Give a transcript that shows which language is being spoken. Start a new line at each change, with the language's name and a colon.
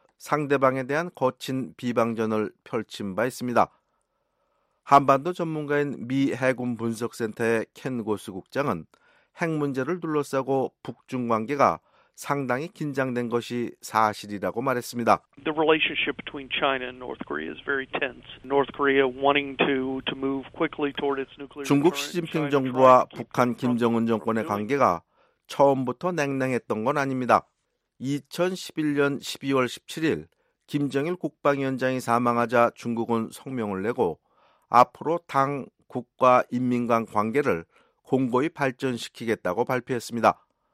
Korean: 상대방에 대한 거친 비방전을 펼친 바 있습니다. 한반도 전문가인 미 해군 분석센터의 켄 고스 국장은 핵 문제를 둘러싸고 북중 관계가 상당히 긴장된 것이 사실이라고 말했습니다.
English: The relationship between China and North Korea is very tense. North Korea wanting to move quickly toward its nuclear.
Korean: 중국 시진핑 정부와 북한 김정은 정권의 관계가 처음부터 냉랭했던 건 아닙니다. 2011년 12월 17일 김정일 국방위원장이 사망하자 중국은 성명을 내고 앞으로 당 국가 인민 간 관계를 공고히 발전시키겠다고 발표했습니다.